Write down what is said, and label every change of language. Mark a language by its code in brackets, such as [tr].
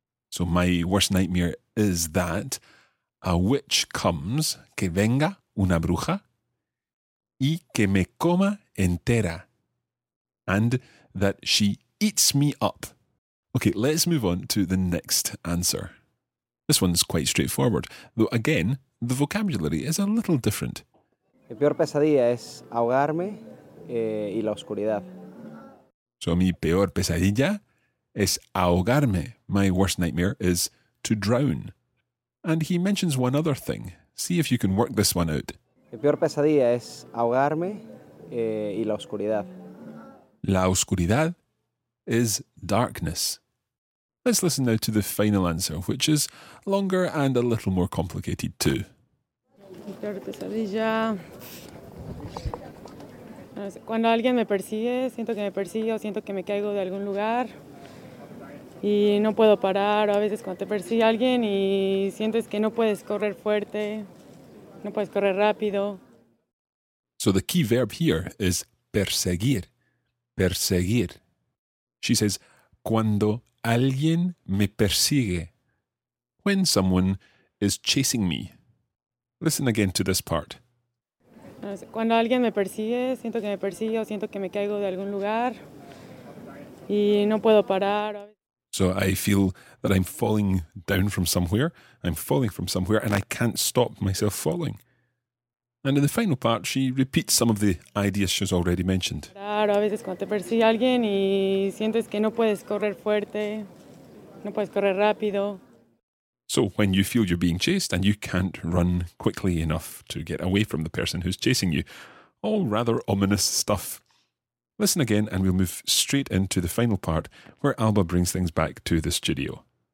[en] So my worst nightmare is that a witch comes, [es] que venga una bruja, y que me coma entera, [en] and that she eats me up. Okay, let's move on to the next answer. This one's quite straightforward, though again, the vocabulary is a little different. [es] Mi peor pesadilla es ahogarme y la oscuridad. So mi peor pesadilla es ahogarme. [en] My worst nightmare is to drown. And he mentions one other thing. See if you can work this one out. [es] Mi peor pesadilla es ahogarme y la oscuridad. [en] La oscuridad is darkness. Let's listen now to the final answer, which is longer and a little more complicated too. [es] Peor pesadilla. Cuando alguien me persigue, siento que me persigue o siento que me caigo de algún lugar y no puedo parar. O a veces cuando te persigue alguien y sientes que no puedes correr fuerte, no puedes correr rápido. [en] So the key verb here is perseguir. Perseguir. She says, [es] cuando alguien me persigue. [en] When someone is chasing me. Listen again to this part. [es] Cuando alguien me persigue, siento que me persigue o siento que me caigo de algún lugar y no puedo parar. [en] So I feel that I'm falling down from somewhere. I'm falling from somewhere and I can't stop myself falling. And in the final part, she repeats some of the ideas she's already mentioned. [es] Claro, a veces cuando te persigue alguien y sientes que no puedes correr fuerte, no puedes correr rápido. [en] So when you feel you're being chased and you can't run quickly enough to get away from the person who's chasing you, all rather ominous stuff. Listen again and we'll move straight into the final part where Alba brings things back to the studio.